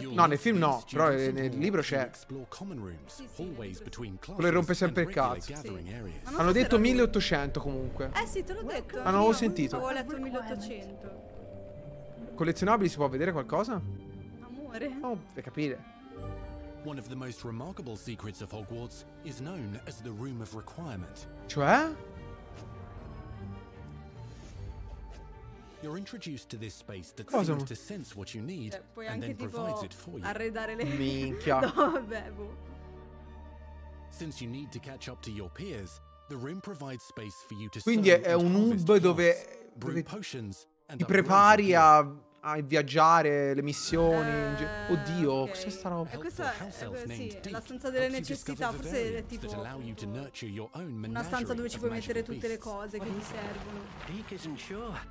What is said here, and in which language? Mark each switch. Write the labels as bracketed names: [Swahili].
[Italian] No, nel film no. Però nel libro c'è. Quello che rompe sempre il cazzo. Sì. Hanno detto 1800 comunque. Eh sì, te l'ho detto. Ah, non avevo sentito. Avevo letto 1800. Collezionabili, si può vedere qualcosa? Amore. Oh, per capire. [English] One of the most remarkable secrets of Hogwarts is known as the Room of Requirement. [Italian] Cioè? [English] You're introduced to this space that [Italian] cosa? [English] Seems to sense what you need, [Italian] cioè, [English] and then provides it for you. [Italian] Arredare le minchia. No, vabbè, [English] Since you need to catch up to your peers, the room provides space for you to. [Italian] Quindi è un hub dove [English] brew potions and [Italian] ti prepari a viaggiare, le missioni. Oddio, okay. Cos'è sta roba? Sì, la stanza delle necessità. Forse è tipo una stanza dove ci puoi mettere tutte le cose che gli servono.